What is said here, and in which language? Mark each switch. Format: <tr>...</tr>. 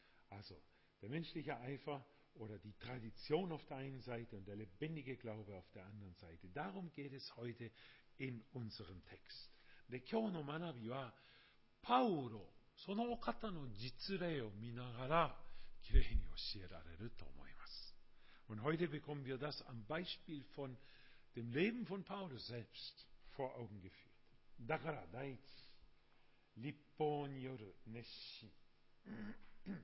<de>Also, der menschliche Eifer oder die Tradition auf der einen Seite und der lebendige Glaube auf der anderen Seite. Darum geht es heute. In unserem Text.</de> <ja>で今日の学びはパウロそのお方の実例を見ながらきれいに教えられると思います。</ja> <de>Und heute bekommen wir das am Beispiel von dem Leben von Paulus selbst vor Augen geführt.</de> <ja>だから第一、立法による熱心。</ja>